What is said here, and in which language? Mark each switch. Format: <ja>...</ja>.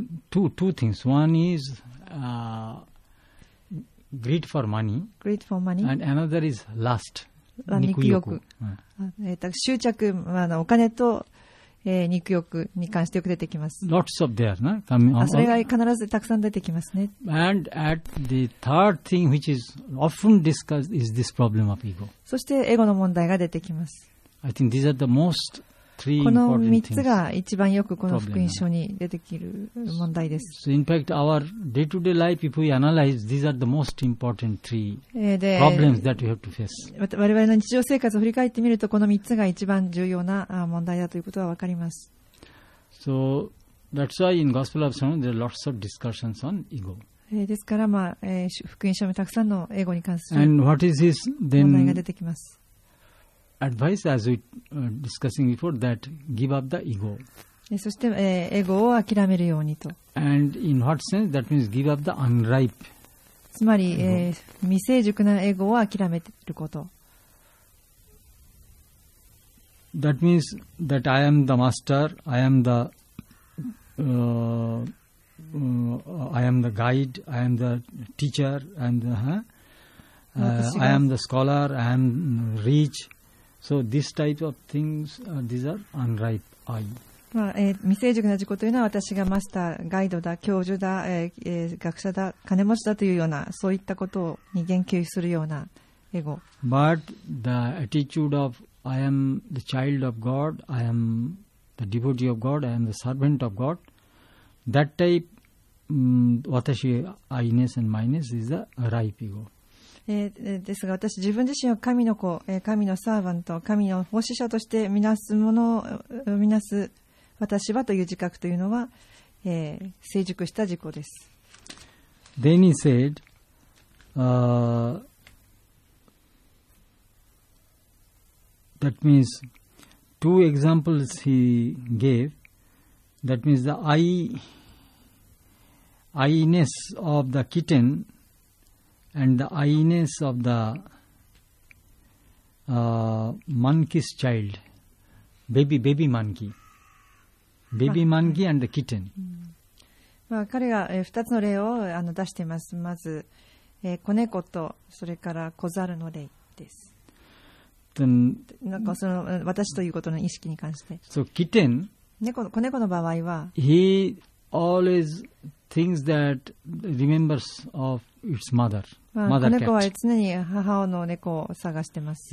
<en>two things. One is greed for money. Greed for money. And another is lust.</en> <ja>肉欲、執着、まあ、お金と、肉欲に関してよく出てきます。</ja> <en>Lots of there, na?</en> <ja>それが必ずたくさん出てきますね。</ja> <en>And at the third thing, which is often discussed, is this problem of ego.</en> <ja>そしてエゴの問題が出てきます。</ja> <en>I think these are the most three important things.</en> <ja>この三つが一番よくこの福音書に出てきる問題です。</ja> <en>So in fact, our day-to-day life, if we analyze, these are the most important three problems that we have to face.</en> <ja>我々の日常生活を振り返ってみると、この三つが一番重要な問題だということはわかります。</ja> <en>So that's why in Gospel of Solomon, there are lots of discussions on ego.</en> <ja>ですから、まあ、福音書もたくさんの英語に関する</ja> <en>And what is this, then,</en> <ja>問題が出てきます。</ja> <en>Advice as we discussing before that give up the ego.</en> <ja>そして、エゴを諦めるようにと。</ja> <en>And in what sense? That means give up the unripe.</en> <ja>つまり、未成熟なエゴを諦めること。</ja> <en>That means that I am the master. I am the I am the guide. I am the teacher. I am the I am the scholar. I am rich. So this type of things, these are unripe I.</en> <ja>まあ、未成熟な自己というのは私がマスター、ガイドだ、教授だ、学者だ、金持ちだというような、そういったことに言及するようなエゴ。</ja> <en>But the attitude of I am the child of God, I am the devotee of God, I am the servant of God, that type,</en> <ja>私、</ja> <en>I ness and minus is the ripe ego.</en> <ja>ですが私自分自身を神の子、神のサーヴァント、神の奉仕者としてみなすものをみなす私はという自覚というのは、成熟した自己です。</ja> <en>Then he said, that means two examples he gave, that means the eye-ness of the kitten,And the eyeness of the monkey's child, baby monkey, baby monkey and the kitten.</en> <ja>まあ彼が二つの例を出しています。まず子猫とそれから子猿の例です。</ja> <en>Then,</en> <ja>なんかその私ということの意識に関して。</ja> <en>So kitten,</en> <ja>猫子猫の場合は、</ja> <en>he always thinks that remembers of its mother.</en> <ja>まあ、猫は常に母の猫を探しています。</ja>